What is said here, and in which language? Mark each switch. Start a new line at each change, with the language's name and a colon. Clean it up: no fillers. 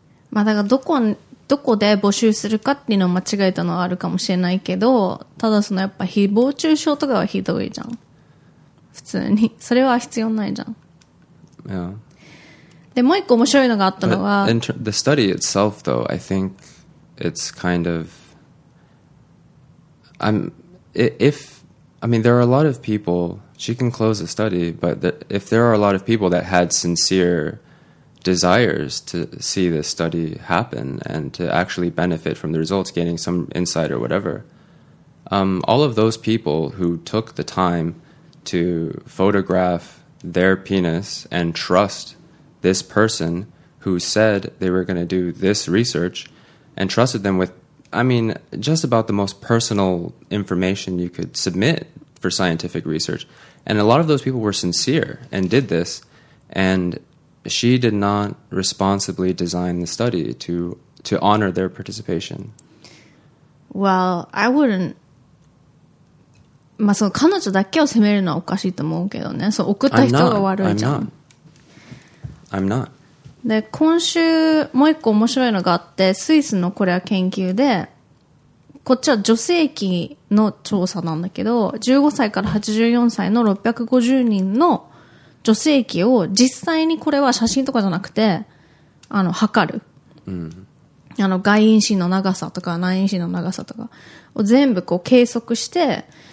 Japanese: まあだからどこで募集するかっていうのを間違えたのはあるかもしれないけど、ただそのやっぱ誹謗中傷とかはひどいじゃん。普通に。それは必要ないじゃん。
English: Yeah.
Japanese: でもう一個面白いのがあったのは、
English: the study itself, though, I think it's kind of, I mean, there are a lot of people. She can close the study, but if there are a lot of people that had sincere desires to see this study happen and to actually benefit from the results, gaining some insight or whatever, all of those people who took the time to photograph their penis and trust. This person who said they were going to do this research and trusted them with, I mean, just about the most personal information you could submit for scientific research. And a lot of those people were sincere and did this. And she did not responsibly design the study to honor their participation. Well, I wouldn't.
Japanese: まあその彼女だけを責めるのはおかしいと思うけどね。そう、送った人が悪いじゃん。
English: I'm not.
Japanese: で今週もう一個面白いのがあって、スイスのこれは研究で、こっちは女性器の調査なんだけど、15歳から84歳の650人の女性器を実際に、これは写真とかじゃなくて、あの測る、あの外陰唇の長さとか内陰唇の長さとかを全部こう計測して、